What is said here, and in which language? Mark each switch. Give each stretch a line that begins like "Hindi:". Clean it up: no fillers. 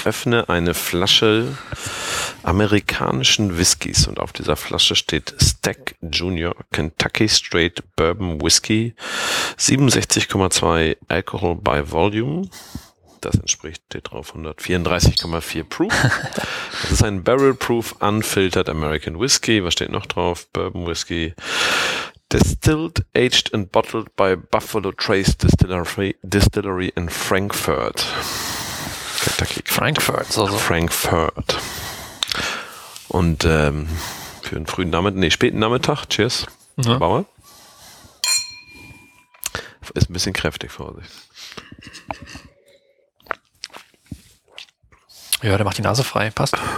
German: Ich öffne eine Flasche amerikanischen Whiskys und auf dieser Flasche steht Stack Junior
English: Kentucky Straight Bourbon Whiskey 67,2 Alcohol by Volume.
German: Das entspricht steht drauf 134,4 Proof. Das ist ein
English: Barrel Proof Unfiltered American Whiskey.
German: Was steht noch drauf? Bourbon Whiskey.
English: Distilled, aged and bottled by Buffalo Trace Distillery in Frankfurt.
German: Kentucky. Frankfurt, also. Frankfurt. Und für einen frühen Nachmittag, späten Nachmittag, cheers, ja. Bauer. Ist ein bisschen kräftig, Vorsicht. Ja, der macht die Nase frei, passt.